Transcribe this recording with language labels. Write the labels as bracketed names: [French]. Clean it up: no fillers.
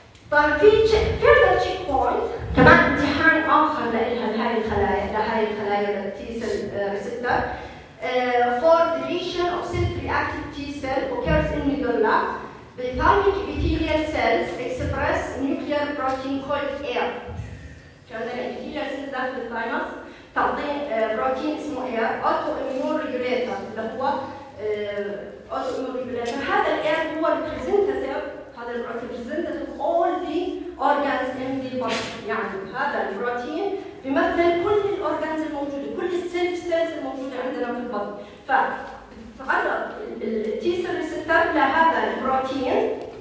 [Arabic] طبعا في فيردر تشيك بوينت كمان امتحان اخر لهذه الخلايا التي سيل ريسبتر [English] for deletion of self-reactive T cell occurs in medulla. The thymic epithelial cells express nuclear protein called AIR. [Arabic] كان الأبيثيليال سيلز داخل الثيموس تعطي بروتين اسمه AIR. [English] Autoimmune regulator [Arabic] اللي هو [English] autoimmune regulator. [Arabic] هذا AIR هو representative. هذا البروتين [English] representative of all the organs in the body. [Arabic] يعني هذا البروتين بمثل كل الأورغانز الموجودة، كل السيلف سيلز الموجودة عندنا في البطن. فتعرض التي سيل ريسبتر لهذا البروتين.